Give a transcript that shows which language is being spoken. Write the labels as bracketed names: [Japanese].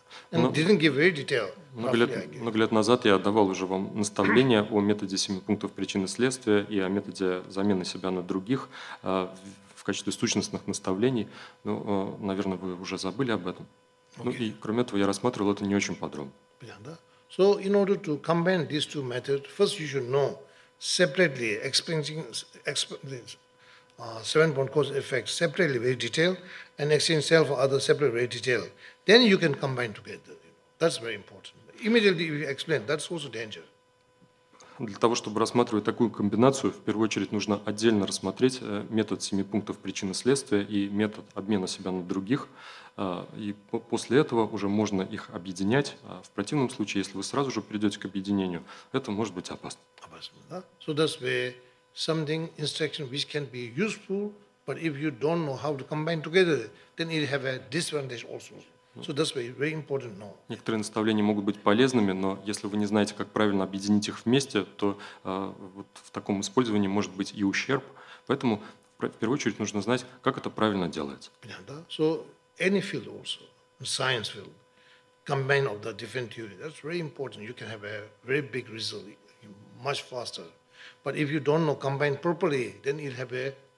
[Russian] Много лет назад я отдавал уже вам наставление о методе семи пунктов причины следствия и о методе замены себя на других в качестве сущностных наставлений. Ну, наверное, вы уже забыли об этом. [English] Okay. [Russian] Ну и кроме этого, я рассматривал это не очень подробно. [English] Yeah, [Russian] да? [English] So in order to combine these two methods, first you should know separately explaining seven-point cause effect separately very detailed and exchange self or other separately very detailed. Then you can combine together. That's very important. Immediately you explain, that's also danger. [Russian] Для того, чтобы рассматривать такую комбинацию, в первую очередь нужно отдельно рассмотреть метод семи пунктов причины следствия и метод обмена себя на других. И после этого уже можно их объединять. В противном случае, если вы сразу же придете к объединению, это может быть опасно. Опасно, да? [English] So that's where something instruction which can be useful, but if you don't know how to combine together, then it have a disadvantage also. So that's why very important now. [Russian] Некоторые наставления могут быть полезными, но если вы не знаете, как правильно объединить их вместе, то вот в таком использовании может быть и ущерб. Поэтому в первую очередь нужно знать, как это правильно делается. Понятно, да? [English] So any field also, science field, combine of the different theory, that's very important. You can have a very big result much faster. But if you don't know combine properly, then you'll have a